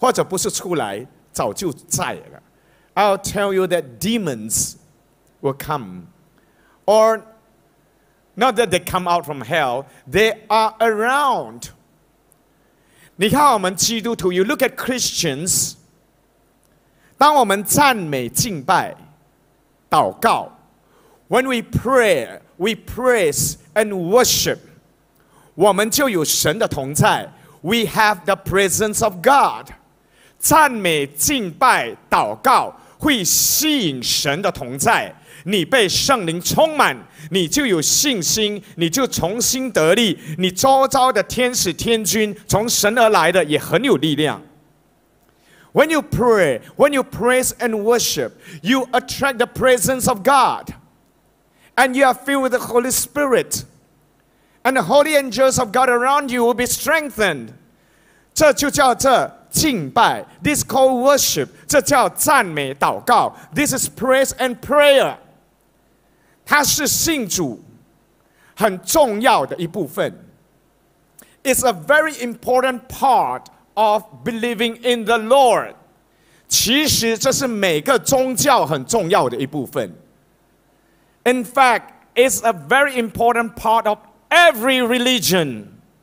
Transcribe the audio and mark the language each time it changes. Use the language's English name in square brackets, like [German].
[Chinese] 我也跟你说,会有邪灵出来,或者不是出来,早就在了。 [English] I'll tell you that demons will come, or not that they come out from hell, they are around. [Chinese] 你看我们基督徒, [English] you look at Christians, [Chinese] 当我们赞美敬拜祷告, [English] when we pray, we praise and worship, [Chinese] 我们就有神的同在, [English] we have the presence of God. [Chinese] 赞美敬拜祷告, 会吸引神的同在, 你被圣灵充满, 你就有信心, 你就重新得力, 你周遭的天使天君, 从神而来的, 也很有力量。 [English] When you pray, when you praise and worship, you attract the presence of God, and you are filled with the Holy Spirit, and the holy angels of God around you will be strengthened. [Chinese] 这就叫这敬拜, [English] this is called worship, [Chinese] 这叫赞美祷告, [English] this is praise and prayer. [Chinese] 它是信主很重要的一部分。 [English] It's a very important part of believing in the Lord. [Chinese] 其实这是每个宗教很重要的一部分。 [English] In fact, it's a very important part of every religion.